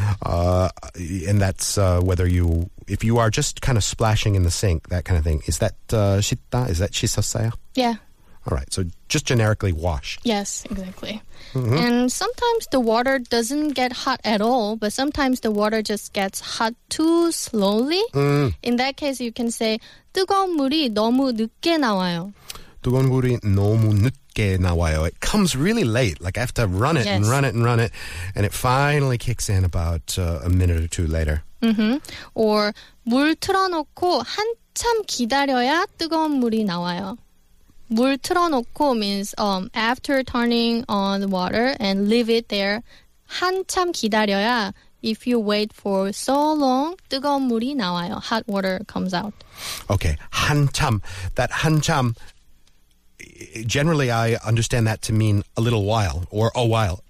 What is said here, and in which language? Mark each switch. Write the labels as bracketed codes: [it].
[en] And that's if you are just kind of splashing in the sink, that kind of thing. Is that [ko] 씻다? [en] Is that [ko] 씻었어요? [en] Yeah. All right. So just generically wash. Yes, exactly. Mm-hmm. And sometimes the water doesn't get hot at all, but sometimes the water just gets hot too slowly. Mm. In that case, you can say [ko] 뜨거운 물이 너무 늦게 나와요. 뜨거운 물이 너무 늦게 나와요. [en] It comes really late. Like I have to run it and run it and run it. And it finally kicks in about a minute or two later. Mm-hmm. Or [ko] 물 틀어놓고 한참 기다려야 뜨거운 물이 나와요. 물 틀어놓고 [en] means after turning on the water and leave it there. [ko] 한참 기다려야 [en] if you wait for so long, [ko] 뜨거운 물이 나와요. [en] Hot water comes out. Okay, [ko] 한참. [en] That 한참, generally I understand that to mean a little while or a while.